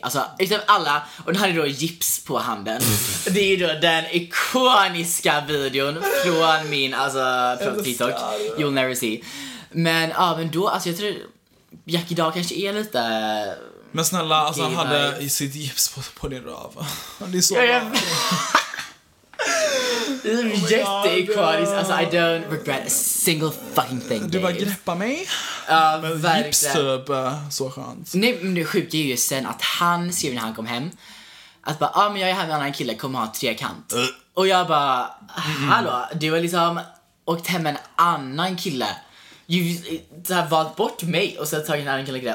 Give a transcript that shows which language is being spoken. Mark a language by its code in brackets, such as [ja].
[sv] Alltså utav alla. Och den hade då gips på handen. Det är ju då den ikoniska videon från min, alltså från TikTok, [en] you'll never see. [sv] Men ja, men då, alltså jag tror Jackie Dahl kanske är lite. Men snälla, alltså han hade i sitt gips på din röv. Det är så jätteikonisk. Alltså [en] I don't regret a single fucking thing. [sv] Du bara greppa mig. Med gips typ, så skönt. Nej, men det sjuka är ju sen att han skrev när han kom hem att bara, men jag är här med en annan kille, kommer ha 3-kant. Och jag bara, hallå, du har liksom åkt hem med en annan kille. Du har valt bort mig och så tagit en annan kille grej.